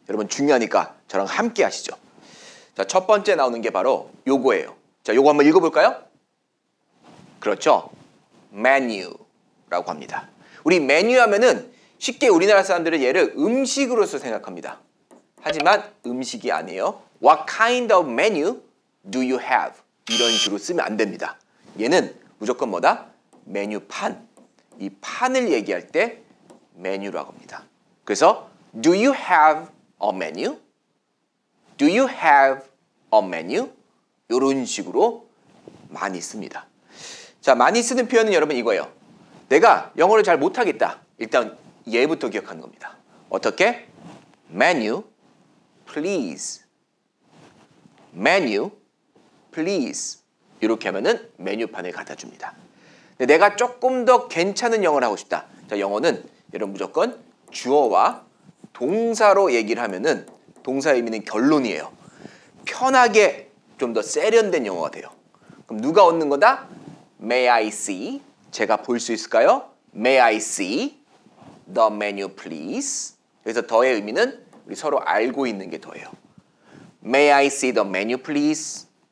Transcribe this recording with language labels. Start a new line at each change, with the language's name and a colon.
Korean: 여러분 중요하니까 저랑 함께 하시죠. 자, 첫 번째 나오는 게 바로 요거예요. 자, 요거 한번 읽어볼까요? 그렇죠. 메뉴라고 합니다. 우리 메뉴 하면은 쉽게 우리나라 사람들은 얘를 음식으로서 생각합니다. 하지만 음식이 아니에요.
English: What kind of menu do you have?
Korean: 이런 식으로 쓰면 안 됩니다. 얘는 무조건 뭐다? 메뉴판. 이 판을 얘기할 때 메뉴라고 합니다. 그래서
English: Do you have a menu? Do you have a menu?
Korean: 이런 식으로 많이 씁니다. 자, 많이 쓰는 표현은 여러분 이거예요. 내가 영어를 잘 못하겠다. 일단 얘부터 기억하는 겁니다.
English: 어떻게? Menu, please. Menu, please.
Korean: 이렇게 하면은 메뉴판을 갖다 줍니다. 내가 조금 더 괜찮은 영어를 하고 싶다. 자, 영어는 여러분 무조건 주어와 동사로 얘기를 하면은 동사의 의미는 결론이에요. 편하게 좀 더 세련된 영어가 돼요. 그럼 누가 얻는 거다?
English: May I see?
Korean: 제가 볼 수 있을까요?
English: May I see the menu, please?
Korean: 여기서 더의 의미는 우리 서로 알고 있는 게 더예요.
English: May I see the menu, please?